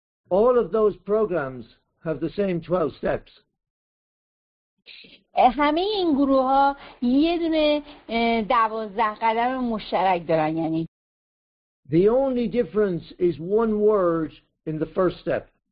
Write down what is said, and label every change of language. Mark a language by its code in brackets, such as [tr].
[en] All of those programs have the same 12 steps. [fa] همه این گروه ها یه دونه 12 قدم مشترک دارن. یعنی [en] The only difference is one word in the first step.